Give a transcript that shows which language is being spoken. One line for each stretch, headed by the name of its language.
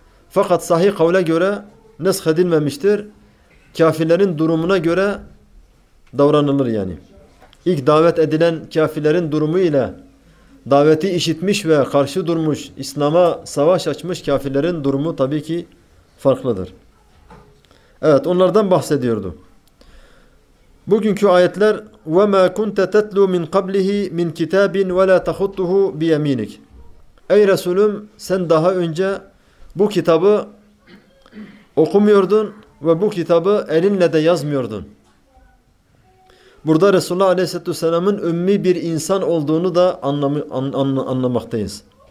Turkish: Fakat sahih kavle göre neshedilmemiştir. Kafirlerin durumuna göre davranılır yani. İlk davet edilen kafirlerin durumu ile daveti işitmiş ve karşı durmuş, İslam'a savaş açmış kafirlerin durumu tabii ki farklıdır. Evet, onlardan bahsediyordu. Bugünkü ayetler
Arabic: وَمَا كُنْتَ تَتْلُوا مِنْ قَبْلِهِ مِنْ كِتَابٍ وَلَا تَخُطُّهُ بِيَم۪ينِكِ.
Turkish: Ey Resulüm, sen daha önce bu kitabı okumuyordun ve bu kitabı elinle de yazmıyordun. Burada Resulullah Aleyhisselatü Vesselam'ın ümmi bir insan olduğunu da anlamaktayız.